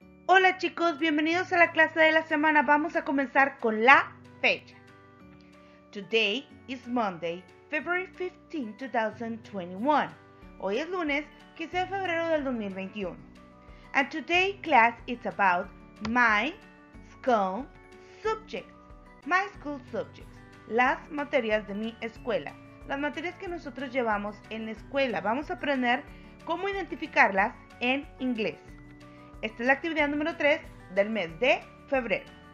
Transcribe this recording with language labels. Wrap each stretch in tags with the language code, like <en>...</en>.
<es>Hola chicos, bienvenidos a la clase de la semana. Vamos a comenzar con la fecha.</es> <en>Today is Monday, February 15, 2021.</en> <es>Hoy es lunes, 15 de febrero del 2021.</es> <en>And today class is about my school subjects. My school subjects.</en> <es>Las materias de mi escuela. Las materias que nosotros llevamos en la escuela. Vamos a aprender cómo identificarlas en inglés. Esta es la actividad número 3 del mes de febrero.</es>